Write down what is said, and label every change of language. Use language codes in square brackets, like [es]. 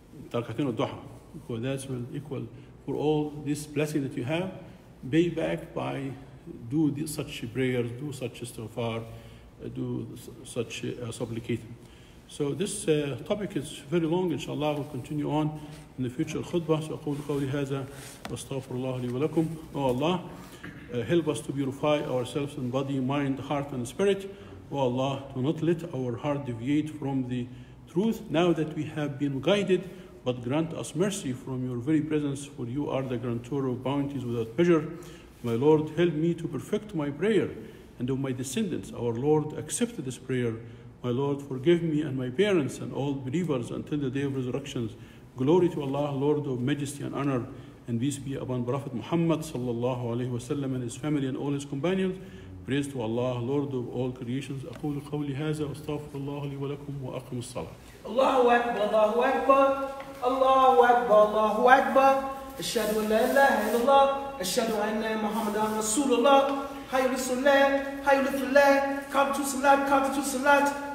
[en] tarqatin al-duha, because that will equal for all this blessing that you have, pay back by do such prayers, do such istighfar, do such supplication. So this topic is very long, inshallah, we'll continue on in the future khutbah. So [ar] أقول قولي هذا واستغفر الله لي ولكم. [en] Oh Allah, help us to purify ourselves in body, mind, heart, and spirit. Oh Allah, do not let our heart deviate from the truth now that we have been guided, but grant us mercy from your very presence, for you are the grantor of bounties without measure. My Lord, help me to perfect my prayer and of my descendants. Our Lord, accept this prayer. My Lord, forgive me and my parents and all believers until the day of resurrection. Glory to Allah, Lord of majesty and honor. And peace be upon Prophet Muhammad sallallahu alaihi wasallam and his family and all his companions. Praise to Allah, Lord of all creations. [ar] أقول قولي هذا واستغفر الله لي ولكم وأقم الصلاة. الله أكبر الله أكبر الله أكبر الله أكبر. أشهد أن لا إله إلا الله. أشهد أن محمدا رسول الله. حي للصلاة حي للصلاة. [en] Come to salat, come to salat.